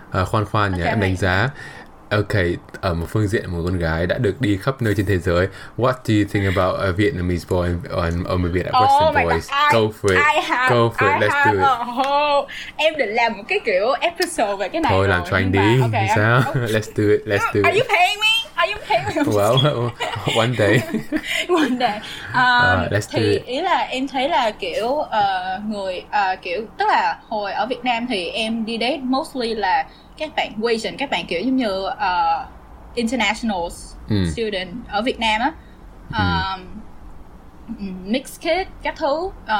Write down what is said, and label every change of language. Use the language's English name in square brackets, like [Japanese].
[Vietnamese] Khoan nhé, okay, em đánh giá. Ok, ở một phương diện một con gái đã được đi khắp nơi trên thế giới. [English] What do you think about a Vietnamese boy or maybe a Western boy? Go for it. Let's do it. [Vietnamese] Em định làm một cái kiểu episode về cái này. Thôi làm cho anh đi. [English] Okay, sao? Let's do it. Are you paying me? Well, one day. One day. Let's [Vietnamese] thì [English] do it. [Vietnamese] Ý là em thấy là kiểu người kiểu tức là hồi ở Việt Nam thì em đi date mostly là các bạn Asian, các bạn kiểu giống như international student ở Việt Nam á, mixed kid các thứ.